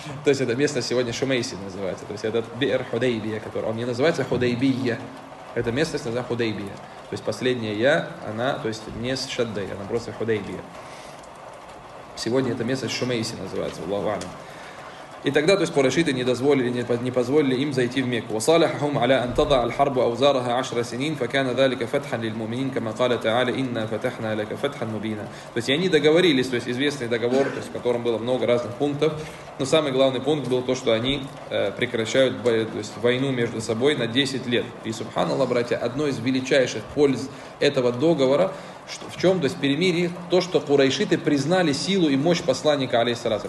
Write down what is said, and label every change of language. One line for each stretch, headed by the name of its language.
Russian: То есть это место сегодня Шумейси называется. То есть это Бир Худайбия, который... Он не называется Худайбия. Это место называется Худайбия. То есть последняя Я, она, то есть не с Шаддой, она просто Худайбия. Сегодня это место Шумейси называется, Аллаху алям. И тогда, то есть курайшиты не дозволили, не позволили им зайти в Мекку.
Arabic: وصالحهم على أن تضع الحرب أوزارها عشر سنين فكان ذلك فتحا للمؤمنين كما قال تعالى إنا فتحنا لك فتحا مبينا.
Russian: То есть они договорились, то есть известный договор, то есть в котором было много разных пунктов, но самый главный пункт был то, что они прекращают то есть войну между собой на 10 лет. И субханаллах, братья, одно из величайших польз этого договора, что, в чем, то есть перемирие, то, что курайшиты признали силу и мощь посланника, алейхиссалату.